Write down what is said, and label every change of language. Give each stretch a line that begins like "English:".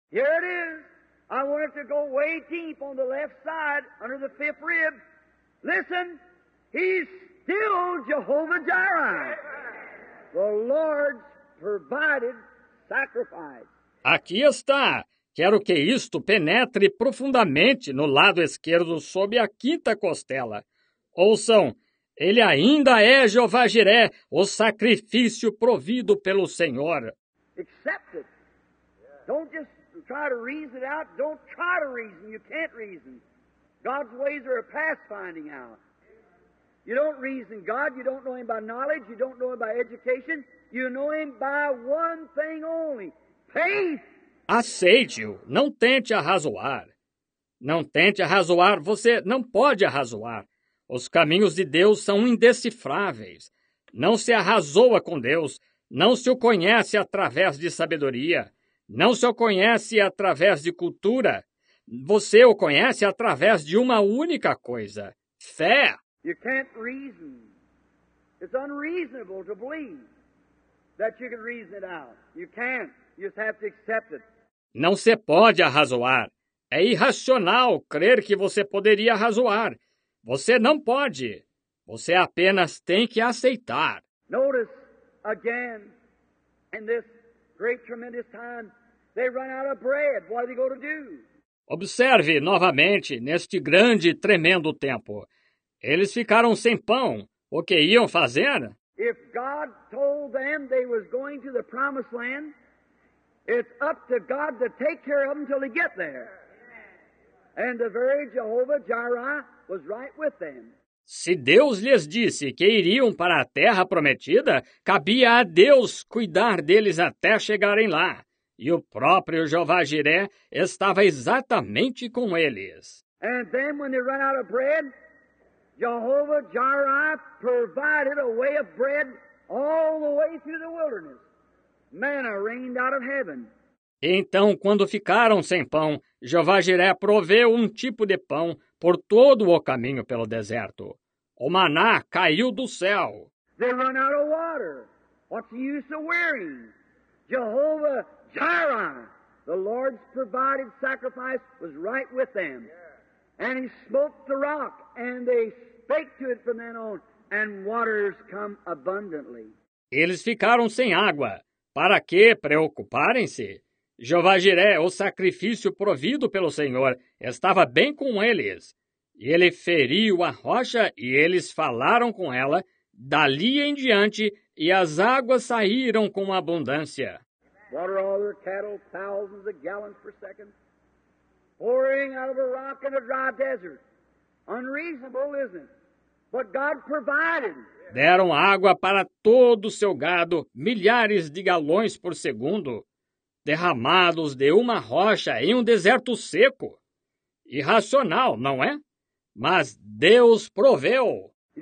English: Here it is. I want it to go way deep on the left side under the fifth rib. Listen, he's still Jehovah Jireh, the Lord's provided sacrifice.
Portuguese: Aqui está. Quero que isto penetre profundamente no lado esquerdo sob a quinta costela. Ouçam, ele ainda é Jeová Jiré, o sacrifício provido pelo Senhor.
English: Accept it. Don't just try to reason it out. Don't try to reason. You can't reason. God's ways are a past finding out. You don't reason God. You don't know him by knowledge. You don't know him by education. You know him by one thing only. Faith.
Portuguese: Aceite-o. Não tente arrazoar. Não tente arrazoar. Você não pode arrazoar. Os caminhos de Deus são indecifráveis. Não se arrazoa com Deus. Não se o conhece através de sabedoria. Não se o conhece através de cultura. Você o conhece através de uma única coisa. Fé.
English: You can't reason. It's unreasonable to believe that you can reason it out. You can't. You just have to accept it.
Portuguese: Não se pode arrazoar. É irracional crer que você poderia arrazoar. Você não pode. Você apenas tem que aceitar.
English: Notice again, in this great tremendous time, they run out of bread. What are they going to do?
Portuguese: Observe novamente neste grande tremendo tempo. Eles ficaram sem pão. O que iam fazer?
English: If God told them they was going to the promised land, it's up to God to take care of them until they get there. And the very Jehovah Jireh was right with them.
Portuguese: Se Deus lhes disse que iriam para a terra prometida, cabia a Deus cuidar deles até chegarem lá. E o próprio Jeová Jiré estava exatamente com eles.
English: And then when they ran out of bread, Jehovah Jireh provided a way of bread all the way through the wilderness. Manna rained out of heaven.
Portuguese: Então, quando ficaram sem pão, Jeová Jiré proveu um tipo de pão por todo o caminho pelo deserto. O maná caiu do céu.
English: They run out of water. What's the use of wearing? Jehovah Jireh, the Lord's provided sacrifice, was right with them. And he smote the rock, and they spake to it from then on, and waters come abundantly.
Portuguese: Eles ficaram sem água. Para que preocuparem-se? Jeová Jiré, o sacrifício provido pelo Senhor, estava bem com eles. E ele feriu a rocha e eles falaram com ela. Dali em diante, e as águas saíram com abundância.
English: Water all their cattle, thousands of gallons per second, pouring out of a rock in a dry desert. Unreasonable, isn't it? But God provided.
Portuguese: Deram água para todo o seu gado, milhares de galões por segundo, derramados de uma rocha em um deserto seco. Irracional, não é? Mas Deus proveu.